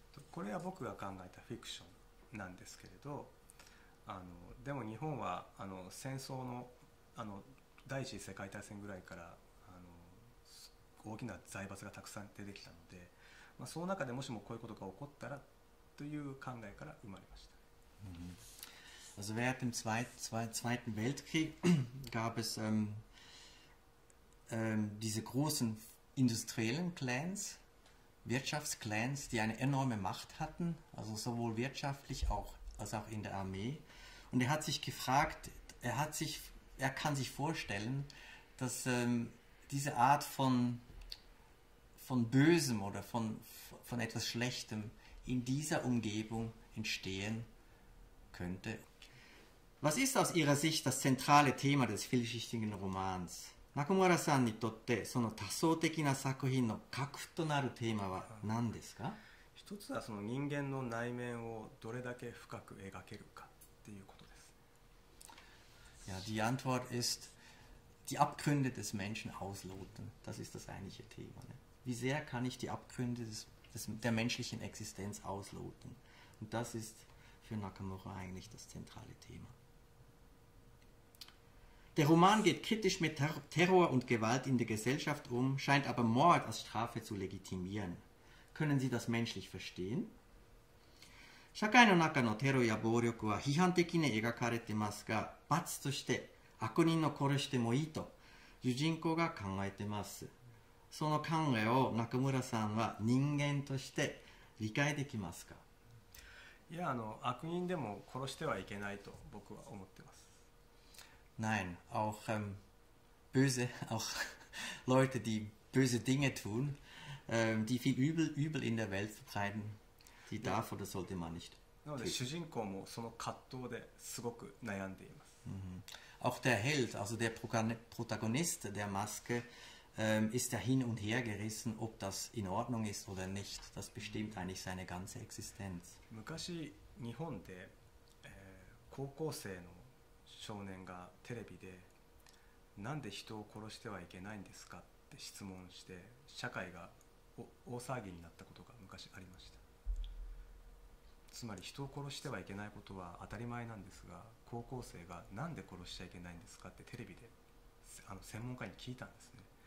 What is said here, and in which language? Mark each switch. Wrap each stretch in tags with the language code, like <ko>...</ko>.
<ja>これは僕が考えたフィクションなんですけれど、あのでも日本はあの戦争 の, あの第一次世界大戦ぐらいからあの大きな財閥がたくさん出てきたので、まあ、その中でもしもこういうことが起こったらという考えから生まれました。</ja> <de>Also während dem Zweiten Weltkrieg gab es diese großen industriellen Clans, Wirtschaftsclans, die eine enorme Macht hatten, also sowohl wirtschaftlich auch, als auch in der Armee. Und er hat sich gefragt, er kann sich vorstellen, dass diese Art von Bösem oder von etwas Schlechtem in dieser Umgebung entstehen könnte. Was ist aus Ihrer Sicht das zentrale Thema des vielschichtigen Romans?</de> <ja>Nakamura-san にとってその多層的な作品の核となるテーマは何ですか？一つはその人間の内面をどれだけ深く描けるかっていうことです。</ja> <de>Ja, die Antwort ist, die Abgründe des Menschen ausloten. Das ist das eigentliche Thema, ne? Wie sehr kann ich die Abgründe der menschlichen Existenz ausloten? Und das ist für Nakamura eigentlich das zentrale Thema. Der Roman geht kritisch mit Terror und Gewalt in der Gesellschaft um, scheint aber Mord als Strafe zu legitimieren. Können Sie das menschlich verstehen?</de> <ja>社会の中のテロや暴力は批判的に描かれてますが、罰として悪人を殺してもいいと主人公が考えてます。その考えを中村さんは人間として理解できますか？いや、あの、悪人でも殺してはいけないと僕は思ってます。</ja> <de>Nein, auch böse, auch Leute, die böse Dinge tun, die viel Übel in der Welt verbreiten, die darf oder sollte man nicht. Auch der Held, also der Protagonist der Maske, ist ja hin und her gerissen, ob das in Ordnung ist oder nicht. Das bestimmt eigentlich seine ganze Existenz.</de> <ja>昔日本で高校生の少年がテレビでなんで人を殺してはいけないんですかって質問して社会が大騒ぎになったことが昔ありました。つまり人を殺してはいけないことは当たり前なんですが、高校生がなんで殺しちゃいけないんですかってテレビで専門家に聞いたんですね。</ja>